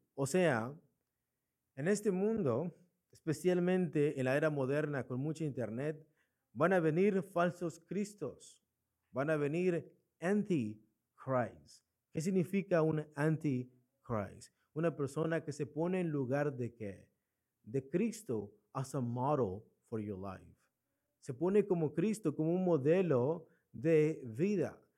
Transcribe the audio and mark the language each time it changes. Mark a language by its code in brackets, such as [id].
[es] O sea, en este mundo, especialmente en la era moderna con mucha internet, van a venir falsos cristos, van a venir anti-Christ. ¿Qué significa un anti-Christ? Una persona que se pone en lugar de ¿qué? De Cristo [en] as a model for your life. [es] Se pone como Cristo, como un modelo de vida.